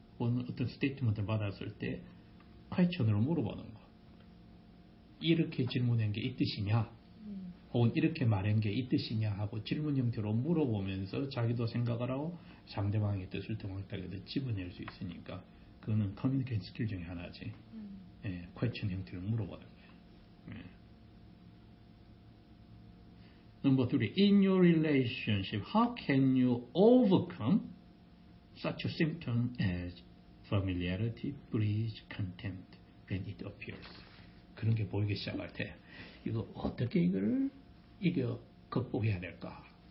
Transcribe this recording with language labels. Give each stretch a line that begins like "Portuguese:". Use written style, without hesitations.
Korean: 어떤 스테이트먼트를 받았을 때 퀘스천으로 물어보는 거. 이렇게 질문한 게 이 뜻이냐? 혹은 이렇게 말한 게 이 뜻이냐 하고 질문 형태로 물어보면서 자기도 생각을 하고 상대방의 뜻을 정확하게 집어낼 수 있으니까 그거는 커뮤니케이션 스킬 중에 하나지. 예, 퀘스천 형태로 물어보는 거예요. 넘버 3.
English: In your relationship, how can you overcome such a symptom as familiarity, breach, contempt when it appears?
Korean: 그런 게 보이기 시작할 때 이거 어떻게 이걸 이겨 극복해야 될까?